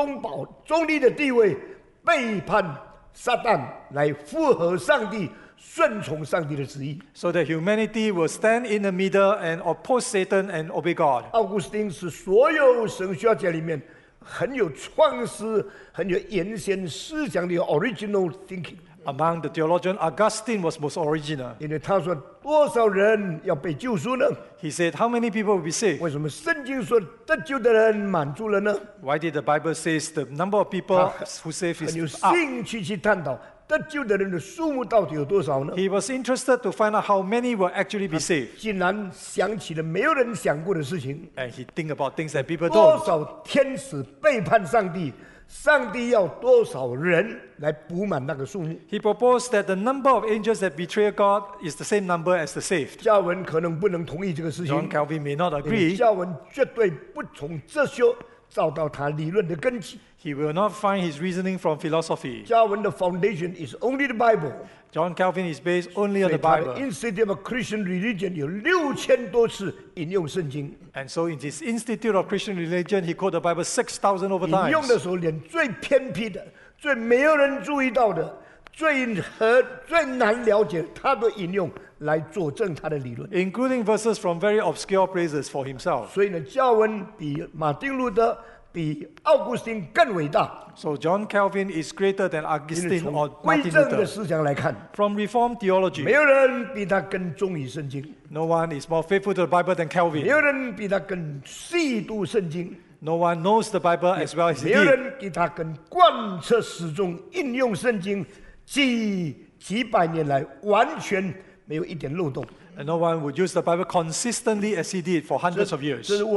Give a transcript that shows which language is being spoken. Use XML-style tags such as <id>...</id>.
<zh>乃是要叫世人站在中立的地位, 背叛撒旦, 来符合上帝, 顺从上帝的旨意。</zh> <en>So that humanity will stand in the middle and oppose Satan and obey God.</en> <zh>奥古斯丁是所有神学家里面 很有创思、很有原先思想的</zh> <en>original thinking. Among the theologian, Augustine was most original.</en> <zh>因为他说多少人要被救赎呢?</zh> <en>He said, "How many people will be saved?"</en> <zh>为什么圣经说得救的人满足了呢?</zh> <en>Why did the Bible say the number of people who save is up?</en> <zh>很有兴趣去探讨 得救的人的数目到底有多少呢?</zh> <en>He was interested to find out how many will actually be saved.</en> <zh>竟然想起了没有人想过的事情。</zh> <en>And he think about things that people don't.</en> <zh>多少天使背叛上帝, 上帝要多少人来补满那个数目。</zh> <en>He proposed that the number of angels that betray God is the same number as the saved.</en> <zh>加文可能不能同意这个事情。</zh> <en>John Calvin may not agree.</en> <zh>加文绝对不从这些 找到他理论的根基。</zh> <en>He will not find his reasoning from philosophy.</en> <zh>加文的</zh> <en>foundation is only the Bible. John Calvin is based only on the Bible.</en> <zh>所以他的 Institute of Christian Religion 有6000多次引用圣经。</zh> <en>And so in his Institute of Christian Religion, he quoted the Bible 6,000 over times.</en> <zh>引用的时候连最偏僻的, 最没有人注意到的, 最难了解他的引用, 来佐证他的理论。</zh> <en>Including verses from very obscure places for himself.</en> <zh>所以呢, 加文比马丁路德, 比奥古斯丁更伟大。</zh> <en>So John Calvin is greater than Augustine or Martin Luther.</en> <zh>因为从归正的思想来看,</zh> <en>from Reformed theology,</en> <zh>没有人比他更忠于圣经。</zh> <en>No one is more faithful to the Bible than Calvin.</en> <zh>没有人比他更细读圣经。</zh> <en>No one knows the Bible as well as he did.</en> <zh>没有人比他更贯彻始终应用圣经几百年来完全 没有一点漏洞。</zh> <en>And no one would use the Bible consistently as he did for hundreds of years.</en>